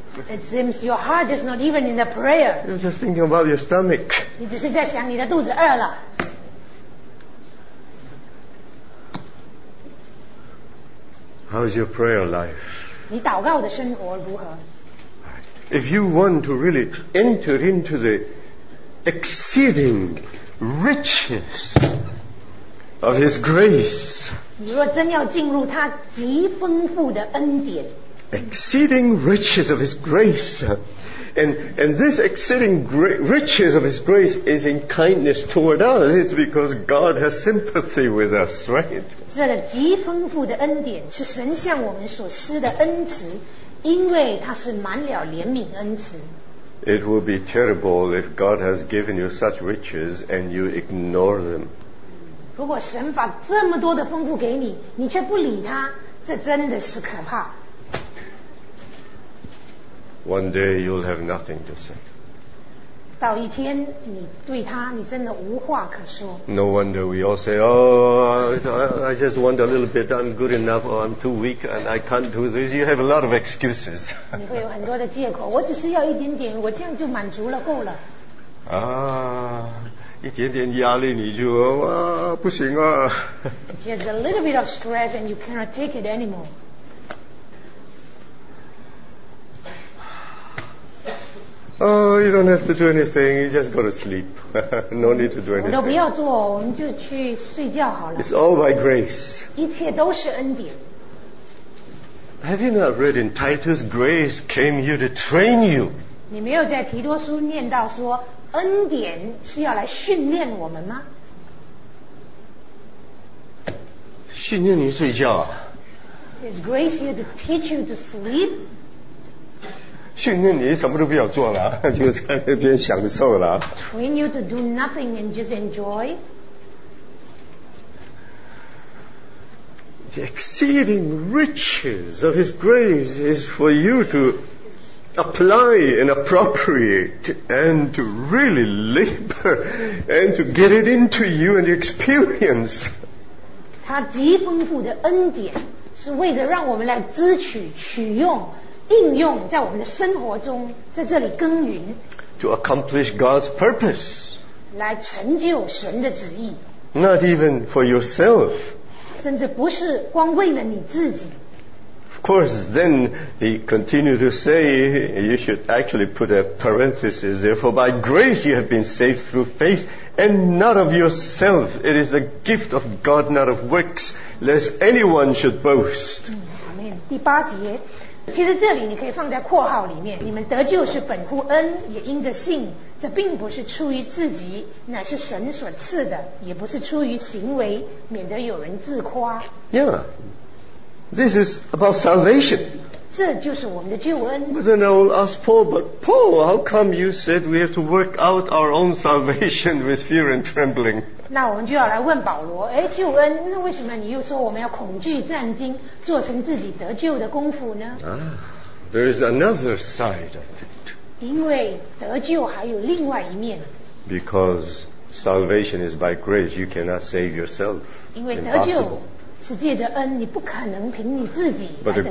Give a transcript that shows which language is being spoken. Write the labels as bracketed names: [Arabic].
[English] It seems your heart is not even in the prayer. You're just thinking about your stomach. [Chinese] 你只是在想你的肚子饿了。 [English] How's your prayer life? [Chinese] 你祷告的生活如何？ [English] If you want to really enter into the exceeding riches of His grace, [Chinese] 你若真要进入他极丰富的恩典， [English] exceeding riches of His grace, and this exceeding riches of His grace is in kindness toward us. It's because God has sympathy with us, right? [Chinese] 这个极丰富的恩典是神向我们所施的恩慈。因为他是满了怜悯恩慈。 [English] It would be terrible if God has given you such riches and you ignore them. [Chinese] 如果神把这么多的丰富给你，你却不理他，这真的是可怕。 [English] One day you'll have nothing to say. [Chinese] 到一天，你对他，你真的无话可说。 [English] No wonder we all say, "Oh, I just want a little bit. I'm good enough, or I'm too weak, and I can't do this." You have a lot of excuses. [Chinese] 你会有很多的借口。我只是要一点点，我这样就满足了，够了。一点点压力你就哇，不行啊。 [English] Just a little bit of stress, and you cannot take it anymore. Oh, you don't have to do anything. You just got to sleep. No need to do anything. [Chinese] 我都不要做，我们就去睡觉好了。 [English] It's all by grace. [Chinese] 一切都是恩典。 [English] Have you not read in Titus, grace came here to train you? [Chinese] 你没有在提多书念到说恩典是要来训练我们吗？训练你睡觉啊。 [English] Is grace here to teach you to sleep? [Chinese] 训练你什么都不要做了，就在那边享受了。 [English] Train you to do nothing and just enjoy. The exceeding riches of His grace is for you to apply and appropriate and to really labor and to get it into you and experience. [Chinese] 他极丰富的恩典是为着让我们来支取取用。应用在我们的生活中，在这里耕耘。 [English] To accomplish God's purpose. [Chinese] 来成就神的旨意。 [English] Not even for yourself. [Chinese] 甚至不是光为了你自己。 [English] Of course, then he continued to say, you should actually put a parenthesis. Therefore, by grace you have been saved through faith, and not of yourself. It is the gift of God, not of works, lest anyone should boast. [Chinese] 第八节。其实这里你可以放在括号里面，你们得救是本乎恩，也因着信，这并不是出于自己，乃是神所赐的，也不是出于行为，免得有人自夸。 [English] Yeah, this is about salvation. [Chinese] 这就是我们的救恩。 [English] But then I will ask Paul, but Paul, how come you said we have to work out our own salvation with fear and trembling? [Chinese] 那我们就要来问保罗，哎，救恩，那为什么你又说我们要恐惧战惊，做成自己得救的功夫呢？ [English] There is another side of it. [Chinese] 因为得救还有另外一面。 [English] Because salvation is by grace, you cannot save yourself. [Chinese] 因为得救是借着恩，你不可能凭你自己来得救。